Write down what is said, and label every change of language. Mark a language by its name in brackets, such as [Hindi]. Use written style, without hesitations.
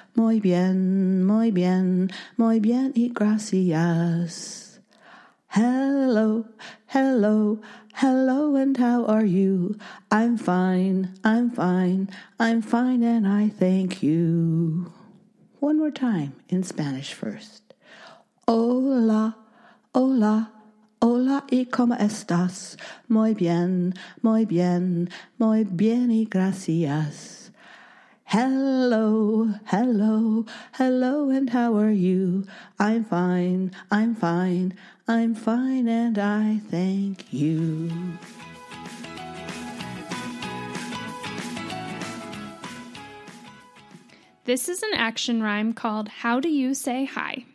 [Spanish] Muy bien, muy bien, muy bien y gracias. [English] Hello, hello, hello and how are you? I'm fine, I'm fine, I'm fine and I thank you. One more time in Spanish first. [Spanish] Hola, hola. Hola y cómo estás? Muy bien, muy bien, muy bien y gracias. [English] Hello, hello, hello and how are you? I'm fine, I'm fine, I'm fine and I thank you. This is an action rhyme called How Do You Say Hi?